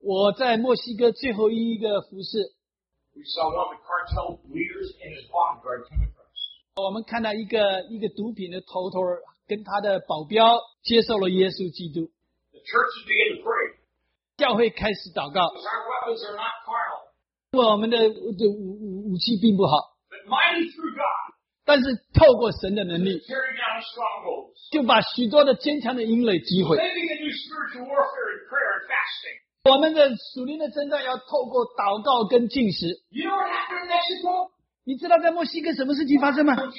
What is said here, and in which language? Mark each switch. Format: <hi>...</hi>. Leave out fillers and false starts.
<zh>当我们在墨西哥，这是神应许我们的。我要让这些毒品的人，让他们从扫罗变成保罗。我在墨西哥最后一个服侍。</zh> <en>We saw one of the cartel leaders and his bodyguard come across.</en> <zh>我们看到一个毒品的头头跟他的保镖接受了耶稣基督。</zh> <en>The church is beginning to pray.</en> <zh>教会开始祷告。</zh> <en>Because our weapons are not carnal.</en> <zh>我们的武器并不好。</zh> <en>But mighty through God.</en> <zh>但是透过神的能力。</zh> <en>To carry down strongholds.</en> <zh>就把许多的坚强的营垒击毁。</zh> <en>Living a new spiritual warfare in prayer and fasting.</en> <zh>我们的属灵的征战要透过祷告跟禁食。</zh> <en>You know what happened in Mexico?</en> <zh>你知道在墨西哥什么事情发生吗？</zh>